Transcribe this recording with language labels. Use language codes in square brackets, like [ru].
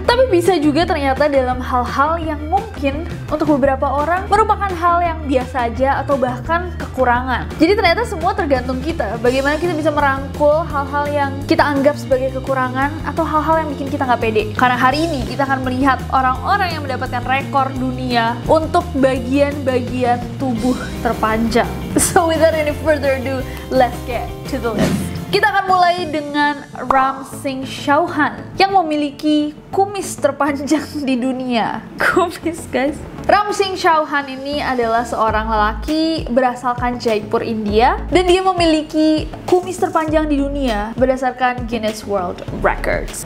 [id] Tapi bisa juga ternyata dalam hal-hal yang mungkin untuk beberapa orang merupakan hal yang biasa aja atau bahkan kekurangan. Jadi ternyata semua tergantung kita, bagaimana kita bisa merangkul hal-hal yang kita anggap sebagai kekurangan atau hal-hal yang bikin kita nggak pede. Karena hari ini kita akan melihat orang-orang yang mendapatkan rekor dunia untuk bagian-bagian tubuh terpanjang. [en] So without any further ado, let's get to the list. [id] Kita akan mulai dengan Ram Singh Chauhan yang memiliki kumis terpanjang di dunia. Kumis, guys. Ram Singh Chauhan ini adalah seorang lelaki berasalkan Jaipur, India, dan dia memiliki kumis terpanjang di dunia berdasarkan Guinness World Records.